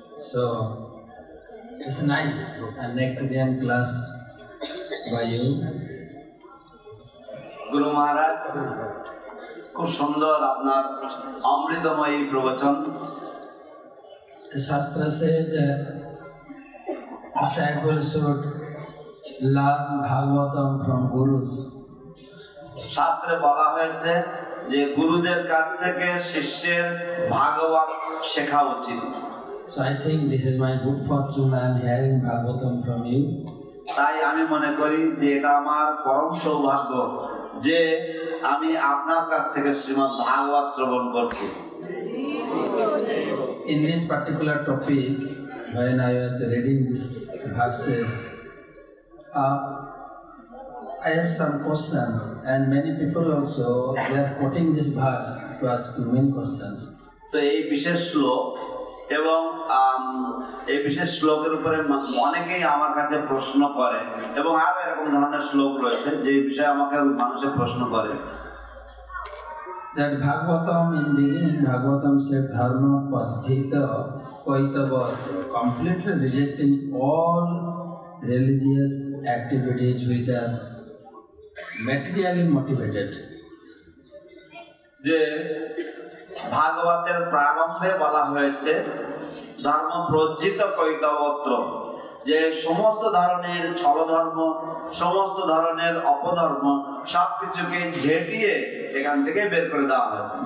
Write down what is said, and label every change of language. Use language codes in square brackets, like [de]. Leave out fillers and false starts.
[en] So, it's nice and nectarian class by you. [bn] গুরু মহারাজ, খুব সুন্দর আপনার অমৃতময়ী প্রবচন। শাস্ত্র শাস্ত্রে বলা হয়েছে যে গুরুদের কাছ থেকে শিষ্যের ভাগবত শেখা উচিত। [en] So I think this is my good fortune, I am hearing Bhagavatam from you. [bn] তাই আমি মনে করি যে এটা আমার পরম সৌভাগ্য যে আমি আপনার কাছ থেকে শ্রীমদ ভাগবত শ্রবণ করছি। [en] In this particular topic, when I was reading these verses, I have some questions, and many people also, they are quoting this verse to ask human questions. [bn] So, এই বিশেষ শ্লোক এবং এই বিশেষ শ্লোকের উপরে অনেকেই আমার কাছে প্রশ্ন করে, এবং আরো এরকম ধরনের শ্লোক রয়েছে যে বিষয়ে আমাকে মানুষে প্রশ্ন করে। [en] That Bhagavatam, in beginning Bhagavatam said [sa] dharma pajjita kaitava, [en] completely rejecting all religious activities which are materially motivated. [bn] যে ভাগবতের প্রারম্ভে বলা হয়েছে [sa] ধর্ম প্রজ্জিত কৈতবত্র, [bn] যে সমস্ত ধরনের ছলধর্ম, সমস্ত ধরনের অপধর্ম সব কিছুকে ঝেটিয়ে এখান থেকে বের করে দেওয়া হয়েছে।